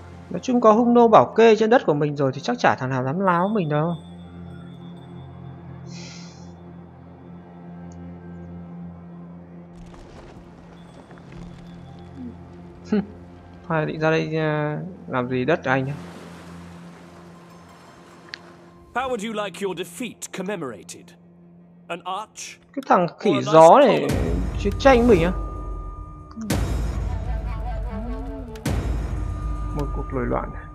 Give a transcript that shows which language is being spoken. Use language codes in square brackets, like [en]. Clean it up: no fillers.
[vi] Nói chung có Hung Nô bảo kê trên đất của mình rồi thì chắc chả thằng nào dám láo mình đâu. Thôi định ra đây làm gì đất anh nhá. [en] How would you like your defeat commemorated? An arch? [vi] Cái thằng khỉ gió này chiến tranh mình á. Một cuộc nổi loạn.